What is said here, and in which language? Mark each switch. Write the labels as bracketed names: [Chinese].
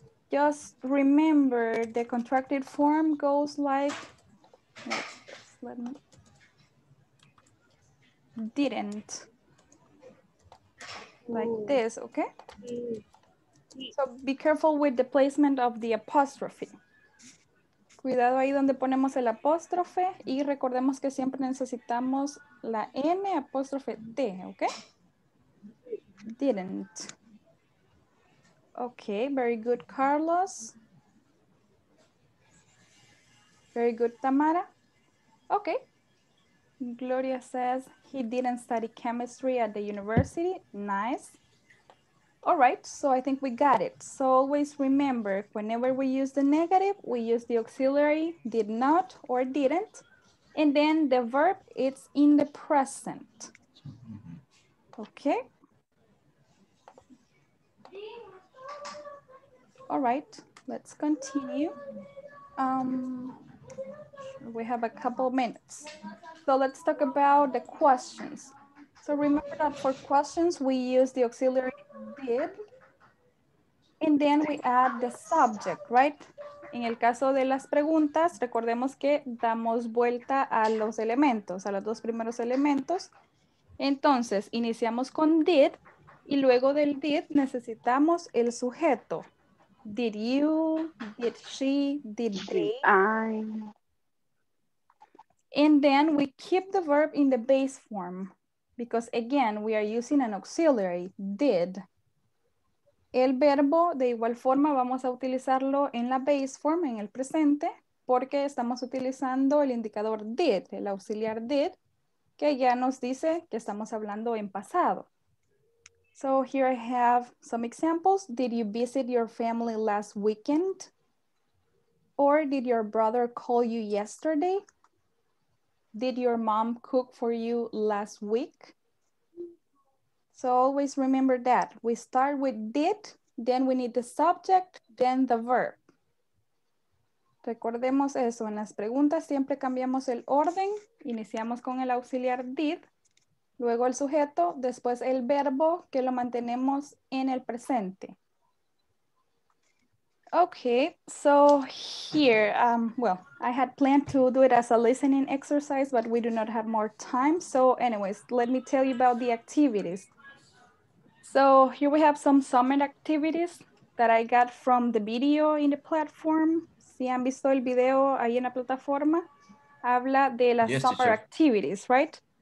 [English] Just remember the contracted form goes like didn't, like this, okay? So be careful with the placement of the apostrophe. [Spanish] Cuidado ahí donde ponemos el apóstrofe y recordemos que siempre necesitamos la N apóstrofe D, okay? [English] Didn't. Okay, very good, Carlos. Very good, Tamara. Okay. Gloria says he didn't study chemistry at the university. Nice. All right, so I think we got it. So always remember, whenever we use the negative, we use the auxiliary, did not or didn't. And then the verb, it's in the present. Okay. All right, let's continue. We have a couple minutes. So let's talk about the questions. So remember that for questions, we use the auxiliary did, and then we add the subject, right? [Spanish] En el caso de las preguntas, recordemos que damos vuelta a los elementos, a los dos primeros elementos. Entonces, iniciamos con did, y luego del did necesitamos el sujeto. [English] Did you, did she, did they? I. And then we keep the verb in the base form because again, we are using an auxiliary, did. [Spanish] El verbo, de igual forma, vamos a utilizarlo en la base form, en el presente, porque estamos utilizando el indicador did, el auxiliar did, que ya nos dice que estamos hablando en pasado. [English] So here I have some examples. Did you visit your family last weekend? Or did your brother call you yesterday? Did your mom cook for you last week? So always remember that. We start with did, then we need the subject, then the verb. [Spanish] Recordemos eso, en las preguntas siempre cambiamos el orden, iniciamos con el auxiliar did, luego el sujeto, después el verbo que lo mantenemos en el presente. [English] Okay, so here, well, I had planned to do it as a listening exercise, but we do not have more time. So anyways, let me tell you about the activities. So here we have some summer activities that I got from the video in the platform. [Spanish] Si han visto el video ahí en la plataforma, habla de las [English] summer activities, right?